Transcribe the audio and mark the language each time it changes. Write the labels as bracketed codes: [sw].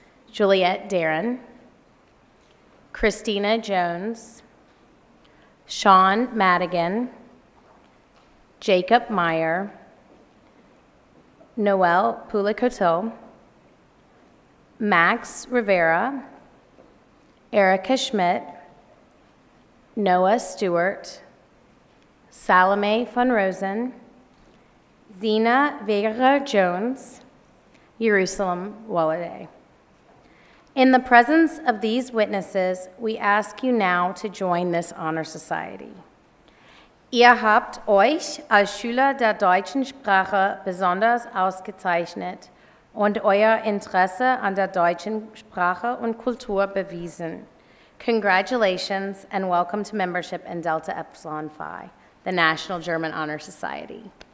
[en] Juliette Darren, Christina Jones, Sean Madigan, Jacob Meyer, Noel Pulicoteau, Max Rivera, Erica Schmidt, Noah Stewart, Salome von Rosen, Zina Vera Jones, Jerusalem Walladay. In the presence of these witnesses, we ask you now to join this Honor Society. [de] Ihr habt euch als Schüler der deutschen Sprache besonders ausgezeichnet und euer Interesse an der deutschen Sprache und Kultur bewiesen. [en] Congratulations and welcome to membership in Delta Epsilon Phi, the National German Honor Society.